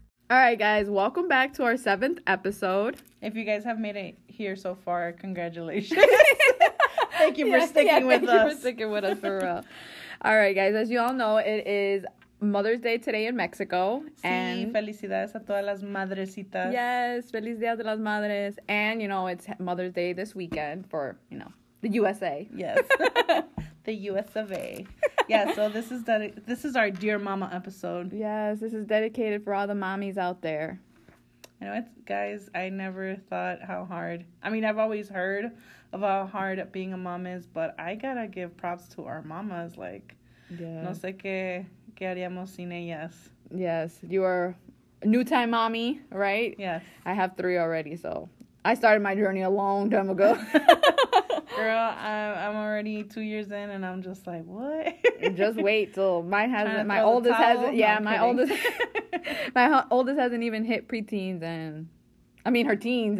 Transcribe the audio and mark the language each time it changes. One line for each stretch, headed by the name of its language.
English: All right, guys, welcome back to our seventh episode. If you guys have made it here so far, congratulations. Thank you for sticking with us. All right, guys. As you all know, it is Mother's Day today in Mexico.
Spanish: And sí, felicidades a todas las madrecitas. Yes, feliz día de las madres.
English: And, you know, it's Mother's Day this weekend for, you know, the USA. Yes. The US of A. Yeah, so this is our Dear Mama episode. Yes, this is dedicated for all the mommies out there. You know what, guys? I never thought how hard. I mean, I've always heard of how hard being a mom is, but I gotta give props to our mamas. Like, yeah.
Spanish: No sé qué haríamos sin ellas.
English: Yes, you are a new time mommy, right? Yes. I have three already, so I started my journey a long time ago. Girl, I'm already 2 years in, and I'm just like, what? Just wait till mine has it. My oldest hasn't even hit preteens, and I mean her teens.